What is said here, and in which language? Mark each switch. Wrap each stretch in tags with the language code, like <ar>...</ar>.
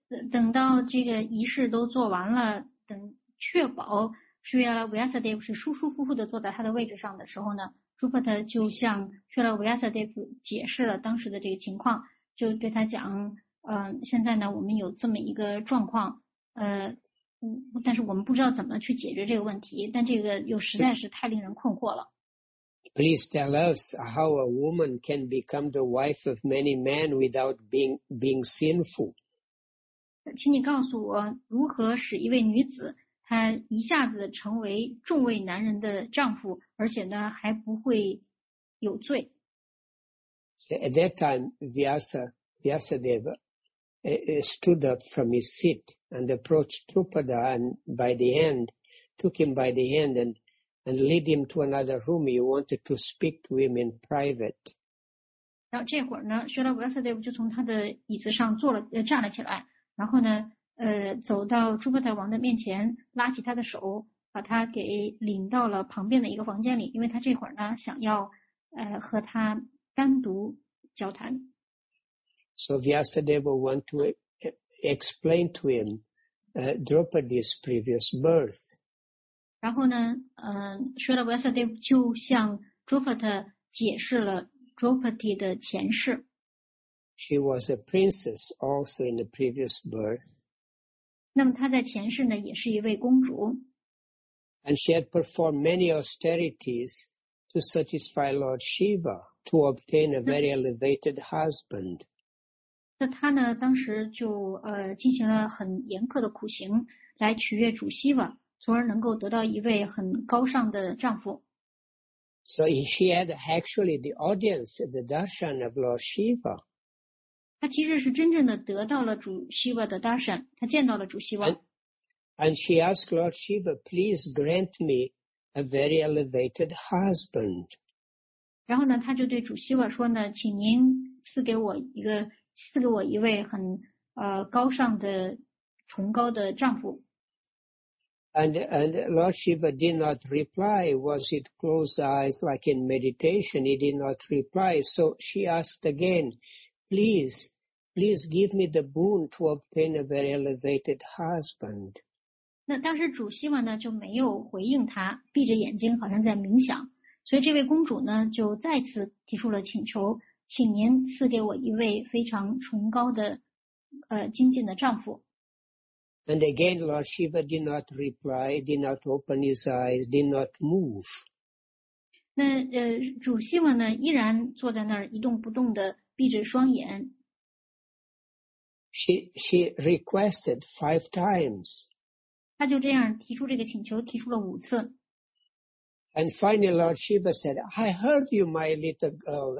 <zh>等到这个仪式都做完了，等确保薛拉维亚萨德夫是舒舒服服的坐在他的位置上的时候呢，朱伯特就向薛拉维亚萨德夫解释了当时的这个情况，就对他讲，现在呢我们有这么一个状况，但是我们不知道怎么去解决这个问题，但这个又实在是太令人困惑了。</zh> <en>Please tell us how a woman can become the wife of many men without being sinful.</en> <zh>请你告诉我如何使一位女子他一下子成为众位男人的丈夫，而且呢还不会有罪。</zh> <en>At that time, Vyasadeva stood up from his seat and approached Drupada and by the hand, took him by the hand and led him to another room. He wanted to speak to him in private.</en> <zh>然后这会儿呢，薛拉维亚萨德夫就从他的椅子上站了起来，然后呢。走到朱伯特王的面前，拉起他的手，把他给领到了旁边的一个房间里，因为他这会儿呢想要和他单独交谈。</zh> <en>So Vyasadeva want to explain to him Draupadi's previous birth.</en> <zh>然后呢，说了 Vyasadeva 就向朱伯特解释了 Draupadi 的前世。</zh> <en>She was a princess also in the previous birth.</en> <zh>那么她在前世呢，也是一位公主。</zh> <en>And she had performed many austerities to satisfy Lord Shiva to obtain a very elevated husband.</en> <zh>那她呢，当时就进行了很严苛的苦行，来取悦主希瓦，从而能够得到一位很高尚的丈夫。</zh> <en>So she had actually the audience, the darshan of Lord Shiva.</en> <zh>他其实是真正的得到了主希瓦的 darshan， 他见到了主希瓦。</zh> <en>And she asked Lord Shiva, please grant me a very elevated husband.</en> <zh>然后呢，他就对主希瓦说呢，请您赐给我一位很高尚的崇高的丈夫。</zh> <en>And Lord Shiva did not reply. Was it closed eyes like in meditation? He did not reply. So she asked again. Please give me the boon to obtain a very elevated husband.</en> <zh>那当时主希瓦呢就没有回应他，闭着眼睛好像在冥想。所以这位公主呢就再次提出了请求，请您赐给我一位非常崇高的精进的丈夫。</zh> <en>And again, Lord Shiva did not reply, did not open his eyes, did not move.</en> <zh>那主希瓦呢依然坐在那儿一动不动的。闭着双眼。</zh> <en>She requested five times.</en> <zh>他就这样提出这个请求，提出了五次。</zh> <en>And finally, Lord Shiva said, "I heard you, my little girl.</en>